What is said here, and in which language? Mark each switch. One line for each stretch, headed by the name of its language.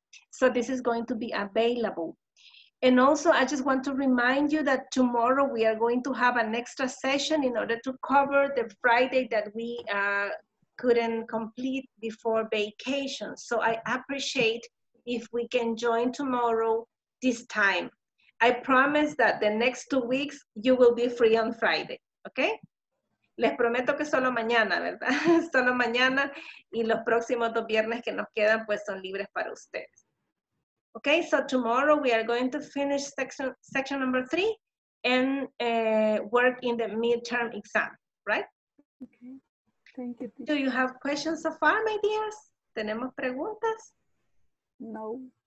English: So this is going to be available. And also I just want to remind you that tomorrow we are going to have an extra session in order to cover the Friday that we couldn't complete before vacation. So I appreciate if we can join tomorrow this time. I promise that the next 2 weeks you will be free on Friday, okay?
Spanish: Les prometo que solo mañana, ¿verdad? Solo mañana y los próximos 2 viernes que nos quedan pues son libres para ustedes.
English: Okay, so tomorrow we are going to finish section number 3 and work in the midterm exam, right? Okay, thank you. Do you have questions so far, my dears?
Spanish: ¿Tenemos preguntas? No.